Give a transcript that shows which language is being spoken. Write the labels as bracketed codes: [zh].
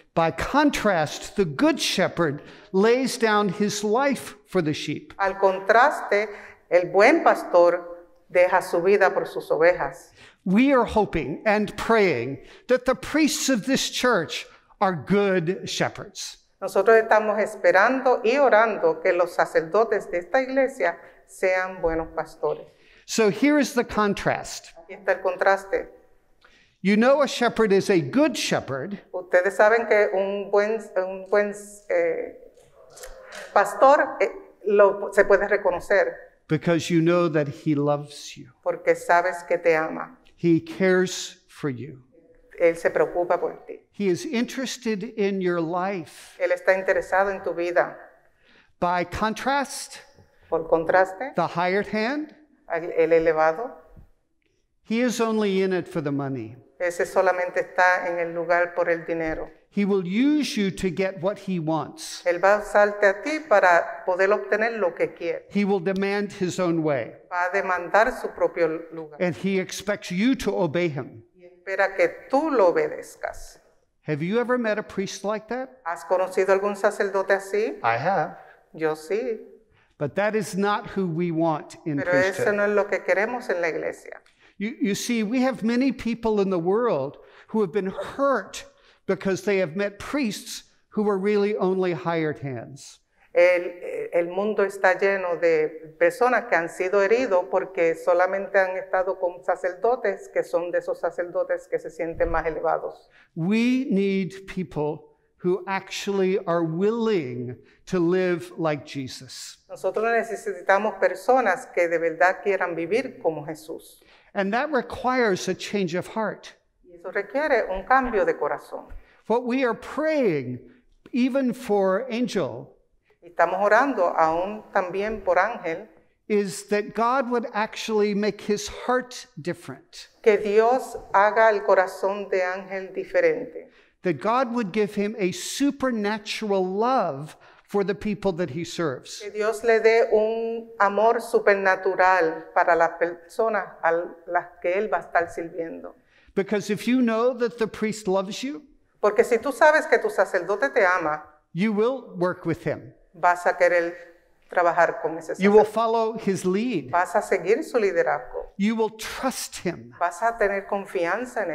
[en] By contrast, the good shepherd lays down his life for the sheep. [es] Al contraste, el buen pastor deja su vida por sus ovejas. [en] We are hoping and praying that the priests of this church are good shepherds. [es] Nosotros estamos esperando y orando que los sacerdotes de esta iglesia sean buenos pastores. [en] So here is the contrast. [es] Aquí está el contraste. [en] You know a shepherd is a good shepherd. [es] Ustedes saben que un buen pastor se puede reconocer. [en] Because you know that he loves you. [es] Porque sabes que te ama. [en] He cares for you. [es] Él se preocupa por ti. [en] He is interested in your life. [es] Él está interesado en tu vida. [en] By contrast, [es] por contraste, [en] the hired hand, [es] el elevado, [en] he is only in it for the money. [es] Ese solamente está en el lugar por el dinero. [en] He will use you to get what he wants. [es] Él va a usarte a ti para poder obtener lo que quiere. [en] He will demand his own way. [es] Va a demandar su propio lugar. [en] And he expects you to obey him. [es] Y espera que tú lo obedezcas. [en] Have you ever met a priest like that? [es] ¿Has conocido algún sacerdote así? [en] I have. [es] Yo sí. [en] But that is not who we want in [es] Pero [en] priesthood. [es] Pero eso no es lo que queremos en la iglesia. [en] You see, we have many people in the world who have been hurt because they have met priests who were really only hired hands. [es] El mundo está lleno de personas que han sido heridos porque solamente han estado con sacerdotes que son de esos sacerdotes que se sienten más elevados. [en] We need people who actually are willing to live like Jesus. [es] Nosotros necesitamos personas que de verdad quieran vivir como Jesús. [en] And that requires a change of heart. [es] Eso requiere un cambio de corazón. [en] What we are praying, even for Ángel, [es] estamos orando aún también por Ángel, [en] is that God would actually make his heart different. [es] Que Dios haga el corazón de Ángel diferente. [en] That God would give him a supernatural love for the people that he serves. [es] Que Dios le dé un amor supernatural para las personas a las que él va a estar sirviendo. [en] Because if you know that the priest loves you, [es] porque si tú sabes que tu sacerdote te ama, [en] you will work with him. [es] Vas a querer trabajar con ese sacerdote. [en] You will follow his lead. [es] Vas a seguir su liderazgo. [en] You will trust him. [es] Vas a tener confianza en él.